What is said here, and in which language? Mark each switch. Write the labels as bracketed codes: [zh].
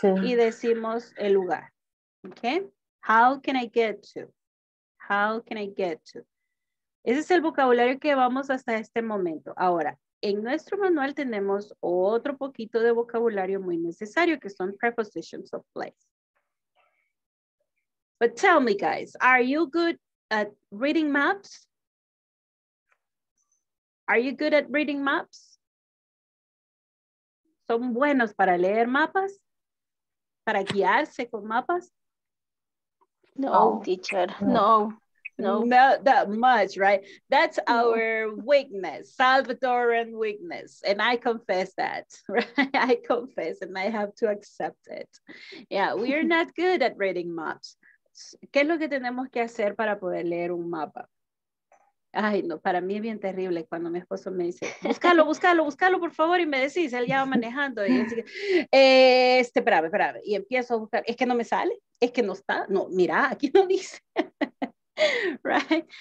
[es] Y decimos el lugar. [en] Okay. How can I get to? How can I get to? [es] Ese es el vocabulario que vamos hasta este momento. Ahora. En nuestro manual tenemos otro poquito de vocabulario muy necesario, que son [en] prepositions of place. But tell me, guys, are you good at reading maps? Are you good at reading maps? [es] ¿Son buenos para leer mapas? ¿Para guiarse con mapas? [en] No, oh, teacher, no. No, not that much, right? That's our weakness, Salvadoran weakness. And I confess that, right? I confess and I have to accept it. Yeah, we are not good at reading maps. [es] ¿Qué es lo que tenemos que hacer para poder leer un mapa? Ay, no, para mí es bien terrible cuando mi esposo me dice, búscalo, búscalo, búscalo, por favor, y me decís, él ya va manejando. Y así, espérame, espérame. Y empiezo a buscar, es que no me sale, es que no está. No, mira, aquí no dice. Right?